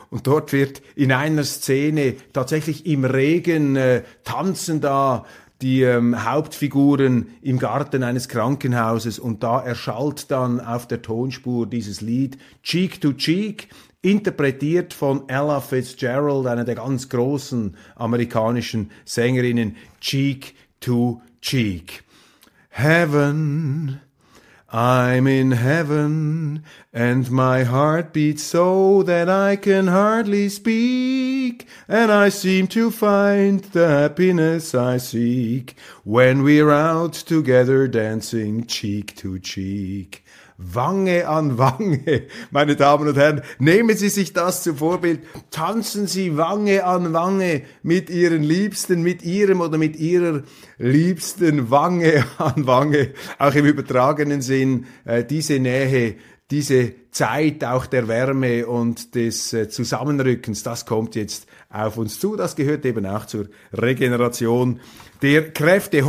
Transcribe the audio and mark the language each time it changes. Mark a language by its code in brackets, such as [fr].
[de] Und dort wird in einer Szene tatsächlich im Regen tanzen da die Hauptfiguren im Garten eines Krankenhauses, und da erschallt dann auf der Tonspur dieses Lied «Cheek to Cheek», interpretiert von Ella Fitzgerald, einer der ganz großen amerikanischen Sängerinnen, Cheek to Cheek. [en] Heaven, I'm in heaven, and my heart beats so that I can hardly speak, and I seem to find the happiness I seek when we're out together dancing cheek to cheek. [de] Wange an Wange, meine Damen und Herren, nehmen Sie sich das zu Vorbild, tanzen Sie Wange an Wange mit Ihren Liebsten, mit Ihrem oder mit Ihrer Liebsten, Wange an Wange, auch im übertragenen Sinn, diese Nähe, diese Zeit auch der Wärme und des Zusammenrückens, das kommt jetzt auf uns zu, das gehört eben auch zur Regeneration der Kräfte.